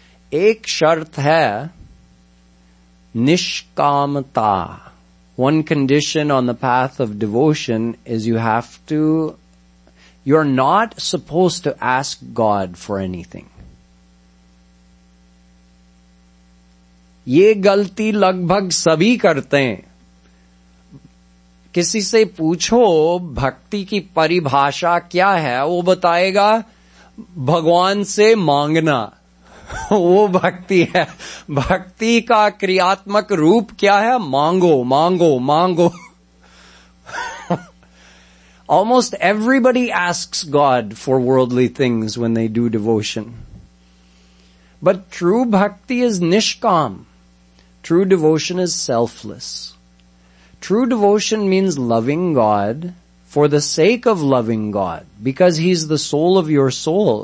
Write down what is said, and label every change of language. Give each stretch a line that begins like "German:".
Hindi: Ek shart hai nishkamta.
English: One condition on the path of devotion is you're not supposed to ask God for anything.
Hindi: ये गलती लगभग सभी करते हैं। किसी से पूछो भक्ति की परिभाषा क्या है, वो बताएगा भगवान से मांगना, वो भक्ति है। भक्ति का क्रियात्मक रूप क्या है? मांगो मांगो मांगो।
English: Almost everybody asks God for worldly things when they do devotion. But true bhakti is nishkam. True devotion is selfless. True devotion means loving God for the sake of loving God, because He's the soul of your soul.